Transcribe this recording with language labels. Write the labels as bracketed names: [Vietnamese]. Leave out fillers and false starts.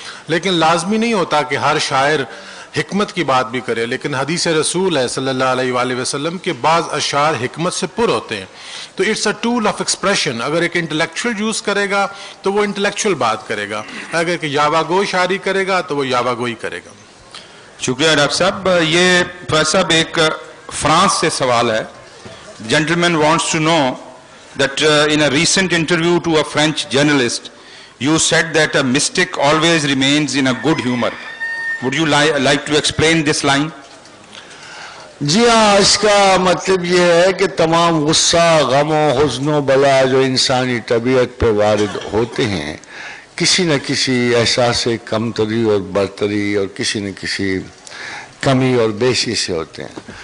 [Urdu] لیکن لازمی نہیں ہوتا کہ ہر شاعر حکمت کی بات بھی کرے, لیکن حدیث رسول ہے صلی اللہ علیہ وآلہ وسلم کے بعض اشعار حکمت سے پر ہوتے ہیں. تو [English] It's a tool of expression. [Urdu] اگر ایک انٹلیکچوئل یوز کرے گا تو وہ انٹلیکچوئل بات کرے گا, اگر ایک یاوا گوئی شاعری کرے گا تو وہ یاوا گوئی کرے گا. شکریہ ڈاکٹر صاحب. یہ صاحب ایک فرانس سے سوال ہے. [English] Gentleman wants to know that in a recent interview to a French journalist, you said that a mystic always remains in a good humor. Would you like to explain this line? [Urdu] جی ہاں, اس کا مطلب یہ ہے کہ تمام غصہ, غم و حزن و بلا جو انسانی طبیعت پہ وارد ہوتے ہیں, کسی نہ کسی احساس کمتری اور برتری اور کسی نہ کسی کمی اور بیشی سے ہوتے ہیں.